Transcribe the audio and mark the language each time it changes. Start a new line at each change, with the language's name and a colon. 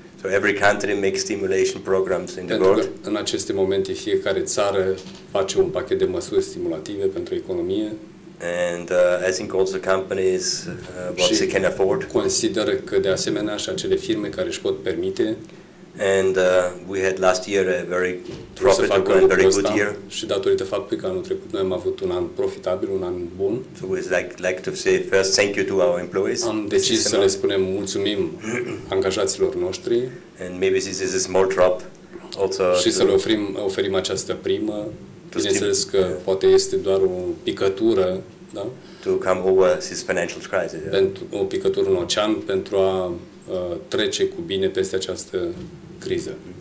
English: So every country makes stimulation programs in the world.
Romanian: În aceste momente fiecare țară face un pachet de măsuri stimulative pentru economie.
English: And I think also companies what they can afford.
Romanian: Consideră că de asemenea și acele firme care își pot permite.
English: And we had last year a very profitable and very good year.
Romanian: Și datorită faptului că anul trecut noi am avut un an profitabil, un an bun.
English: So we like to say first thank you to our employees.
Romanian: Am decis să le spunem mulțumim angajaților noștri.
English: And maybe this is a small drop also.
Romanian: Și să le oferim această primă. Bineînțeles că poate este doar o picătură, da?
English: To come over this financial crisis.
Romanian: Pentru o picătură în ocean pentru a trece cu bine peste această criză.